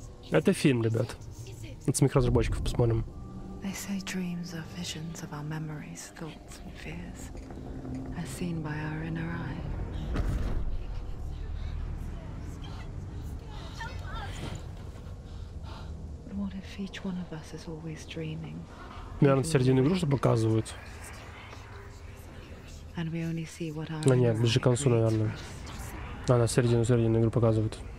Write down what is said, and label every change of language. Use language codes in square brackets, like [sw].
[ru] Это фильм, ребят. Это смех разработчиков, посмотрим. [en] They say dreams are visions of our memories, thoughts and fears, as seen by our inner eye. But what if each one of us is always dreaming? [ru] Наверное, середину игры что показывают. Ну нет, ближе к концу, наверное. Она середину игры показывает.